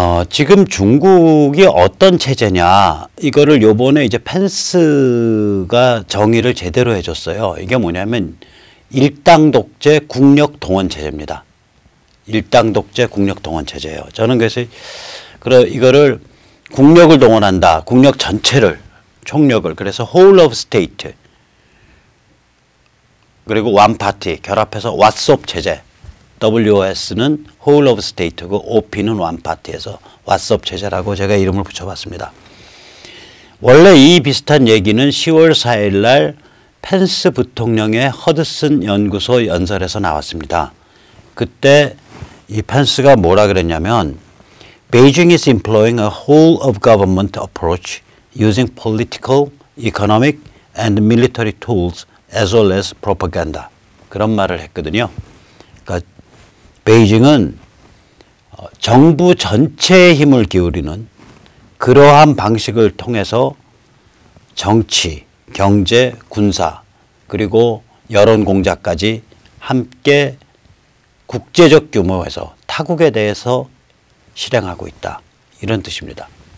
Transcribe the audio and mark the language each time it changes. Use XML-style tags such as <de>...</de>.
<ko>지금 중국이 어떤 체제냐, 이거를 요번에 이제 펜스가 정의를 제대로 해줬어요. 이게 뭐냐면 일당 독재 국력 동원 체제입니다. 일당 독재 국력 동원 체제예요. 저는 그래서 이거를 국력을 동원한다. 국력 전체를, 총력을. 그래서</ko> <en>whole of state.</en> <ko>그리고</ko> <en>one party.</en> <ko>결합해서 WASOP 체제. WOS는 whole of state고 OP는 one party에서 WASOP 체제라고 제가 이름을 붙여봤습니다. 원래 이 비슷한 얘기는 10월 4일 날 펜스 부통령의 허드슨 연구소 연설에서 나왔습니다. 그때 이 펜스가 뭐라 그랬냐면</ko> <en>Beijing is employing a whole of government approach using political, economic and military tools as well as propaganda.</en> <ko>그런 말을 했거든요. 그러니까 베이징은 정부 전체의 힘을 기울이는 그러한 방식을 통해서 정치, 경제, 군사 그리고 여론 공작까지 함께 국제적 규모에서 타국에 대해서 실행하고 있다. 이런 뜻입니다.</ko>